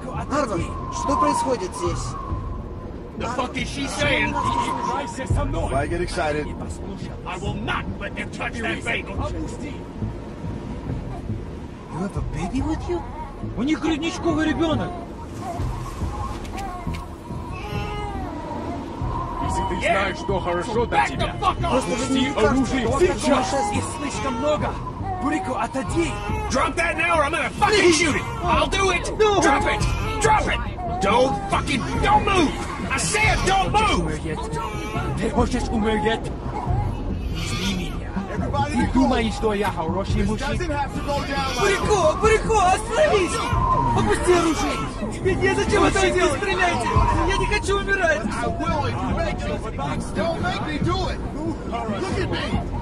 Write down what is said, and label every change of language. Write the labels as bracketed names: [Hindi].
[Russian] Арвов, что происходит здесь? [English] The fuck is she saying? Why get excited? I will not let them touch that baby. You have a baby with you? [Russian] У них грудничковый ребенок. Ты знаешь, что хорошо для тебя. Опусти оружие сейчас. Их слишком много. Бурико, отойди. [English] Drop that now or I'm gonna fucking shoot it. I'll do it. No. Drop it. Drop it. Don't fucking, don't move. I said don't move. [Russian] Ты хочешь умереть? Ты думаешь, что я хороший мужчина? Бурико, Бурико, остановись! Опусти оружие! Тебе не зачем это делать! Стреляйте! Я не хочу умирать! [English] I will if you make it, but don't make me do it! Look at me!